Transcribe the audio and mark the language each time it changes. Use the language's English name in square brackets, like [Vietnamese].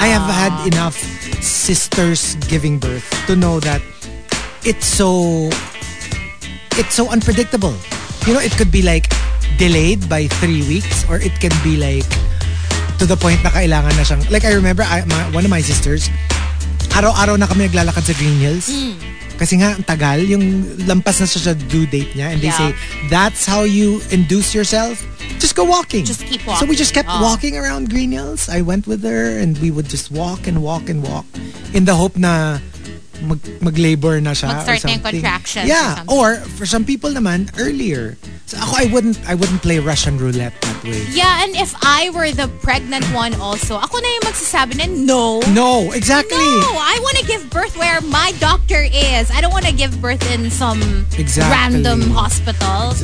[English] I have had enough sisters giving birth to know that it's so unpredictable. You know, it could be like delayed by 3 weeks or it can be like to the point [Filipino] na kailangan na siyang... [English] Like, I remember one of my sisters... [Filipino] Araw-araw na kami naglalakad sa Green Hills. Mm. Kasi nga, tagal. Yung lampas na siya sa due date niya. [English] And they say, that's how you induce yourself? Just go walking. Just keep walking. So we just kept walking around Green Hills. I went with her and we would just walk and walk and walk. In the hope [Filipino] na mag-labor na siya. Mag-start [English] or something. [Filipino] Ng contractions. [English] Yeah. Or for some people naman, earlier. So ako, I wouldn't play Russian roulette that way. Yeah, and if I were the pregnant one also, [Filipino] ako na yung magsasabi na [English] no. No, exactly. No, I want to give birth where my doctor is. I don't want to give birth in some random hospital.